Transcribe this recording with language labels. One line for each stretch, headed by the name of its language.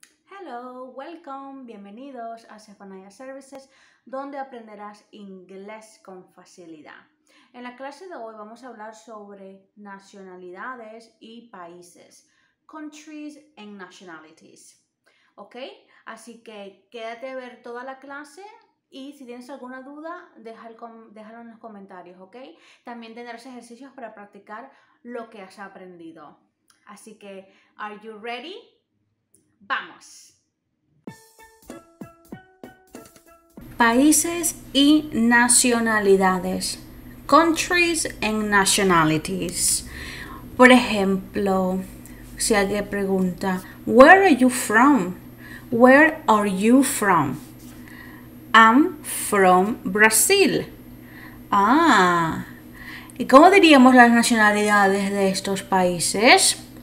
English: Hello, welcome,
Spanish: bienvenidos a Sefanaya Services, donde aprenderás inglés con facilidad. En la clase de hoy vamos a hablar sobre nacionalidades y países.
English: Countries and nationalities. ¿Ok?
Spanish: Así que quédate a ver toda la clase y si tienes alguna duda, déjalo en los comentarios, ¿ok? También tendrás ejercicios para practicar lo que has aprendido. Así que,
English: are you ready?
Spanish: ¡Vamos! Países y nacionalidades.
English: Countries and nationalities.
Spanish: Por ejemplo, si alguien pregunta,
English: where are you from? Where are you from? I'm from Brazil.
Spanish: Ah, ¿y cómo diríamos las nacionalidades de estos países?